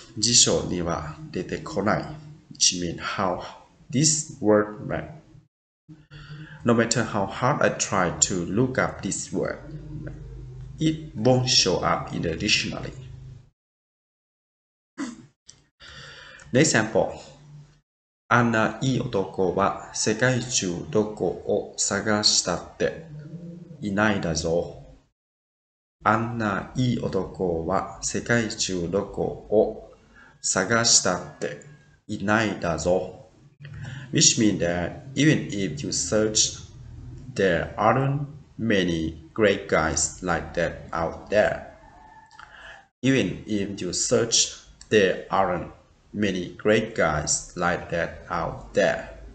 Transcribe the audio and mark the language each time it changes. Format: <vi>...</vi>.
<ja>辞書には出てこない。</ja> <en>Which means how this word read. No matter how hard I try to look up this word, it won't show up in the dictionary. Next example.</en> <ja>あんないい男は世界中どこを探したっていないだぞ。あんないい男は世界中どこを探したっていないだぞ。</ja> <en>Which means that even if you search, there aren't many great guys like that out there. Even if you search, there aren't many great guys like that out there.</en>